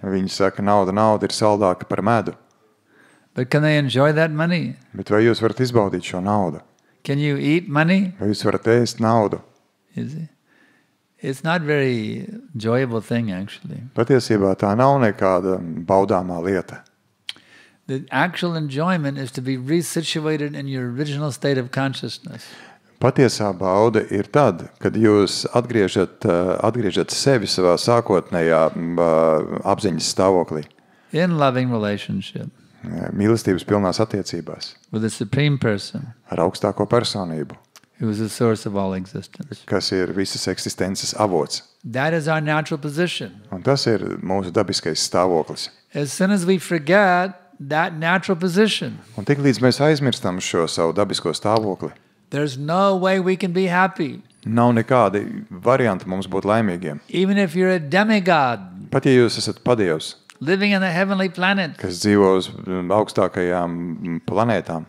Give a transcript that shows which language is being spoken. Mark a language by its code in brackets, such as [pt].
[lv] Viņi saka, nauda ir saldāka par medu. [en] But can they enjoy that money? [lv] Bet vai jūs varat izbaudīt šo naudu? [en] Can you eat money? [lv] Vai jūs varat ēst naudu? [en] Is it? It's not very enjoyable thing, actually. [lv] Patiesībā tā nav nekāda baudāmā lieta. [en] The actual enjoyment is to be resituated in your original state of consciousness. [lv] Patiesā bauda ir tad, kad jūs atgriežat sevi savā sākotnējā apziņas stāvoklī. [en] In loving relationship. [lv] Mīlestības pilnās attiecībās. [en] With the supreme person. [lv] Ar augstāko personību. [en] Who is the source of all existence. [lv] Kas ir visas eksistences avots. [en] That is our natural position. [lv] Un tas ir mūsu dabiskais stāvoklis. [en] As soon as we forget that natural position. [lv] Un tiklīdz mēs aizmirstam šo savu dabisko stāvokli. [en] There's no way we can be happy. [lv] Nav nekādi varianti mums būt laimīgiem. [en] Even if you're a demigod. [lv] Pat ja jūs esat padievs. [en] Living on a heavenly planet. [lv] Kas dzīvo uz augstākajām planētām.